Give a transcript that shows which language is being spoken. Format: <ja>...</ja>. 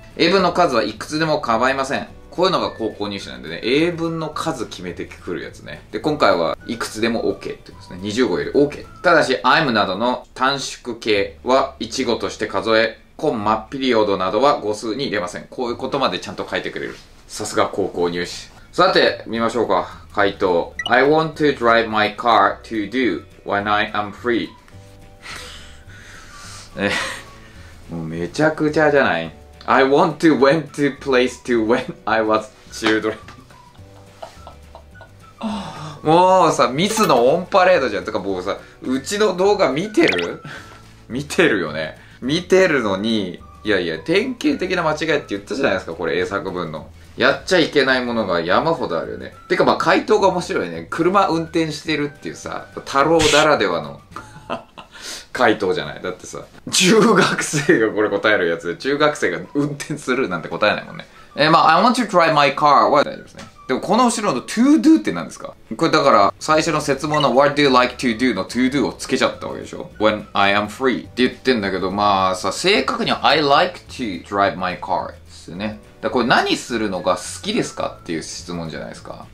<ja>英文の数はいくつでも構いません。こういうのが高校入試なんでね、英文の数決めてくるやつね。で、今回はいくつでも OK って言いますね。20語より OK。ただし、I'm などの短縮形は1語として数え、コンマピリオドなどは語数に入れません。こういうことまでちゃんと書いてくれる。さすが高校入試。さて、見ましょうか。回答。</ja> <en>I want to drive my car to do when I am free。</en> <ja>もうめちゃくちゃじゃない。</ja> <en>I want to went to place to when I was children。</en> <ja>もうさ、ミスのオンパレードじゃん。とか、もうさ、うちの動画見てる？見てるよね。見てるのに、いやいや、典型的な間違いって言ったじゃないですか、これ、英作文の。やっちゃいけないものが山ほどあるよね。てか、まあ回答が面白いね。車運転してるっていうさ、太郎ならではの。回答じゃない。だってさ、中学生がこれ答えるやつで、中学生が運転するなんて答えないもんね。まあ、</ja> <en>I want to drive my car</en> <ja>は大丈夫ですね。でも、この後ろの</ja> <en>to do</en> <ja>って何ですか？これだから、最初の設問の</ja> <en>what do you like to do</en> <ja>の to do をつけちゃったわけでしょ ?</ja> <en>when I am free</en> <ja>って言ってんだけど、まあさ、正確には</ja> <en>I like to drive my car</en> <ja>ですね。だからこれ何するのが好きですかっていう質問じゃないですか。</ja>